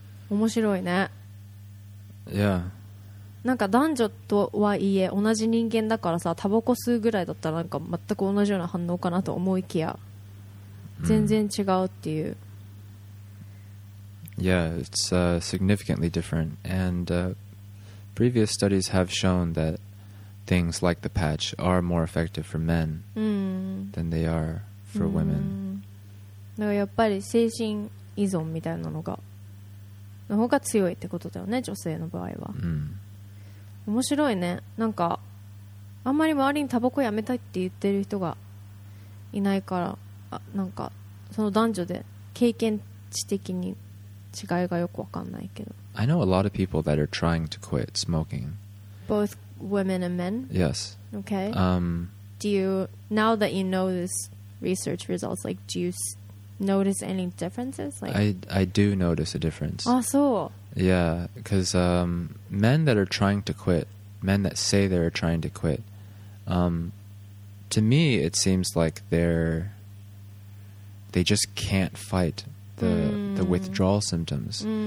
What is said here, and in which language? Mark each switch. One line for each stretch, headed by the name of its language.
Japanese: 面白いね。
English: Yeah.
Japanese: なんか男女とはいえ同じ人間だからさ、タバコ吸うぐらいだったらなんか全く同じような反応かなと思いきや全然違うっていう。
English: Yeah, it's significantly different. And previous studies have shown thatthings like the patch are more effective for men than they are for women.
Japanese: だからやっぱり精神依存みたいなのがの方が強いってことだよね、女性の場合は。面白いね。なんかあんまり周りにタバコやめたいって言ってる人がいないから、あ、なんかその男女で経験値的に違いがよくわかんないけど。
English: I know a lot of people that are trying to quit smoking. BothWomen and men? Yes. Okay. Do you, now that you know this research results, like, do you notice any differences? Like, I do notice a difference. Ah, so? Yeah, because men that are trying to quit, men that say they're trying to quit, to me it seems like they just can't fight the withdrawal symptoms.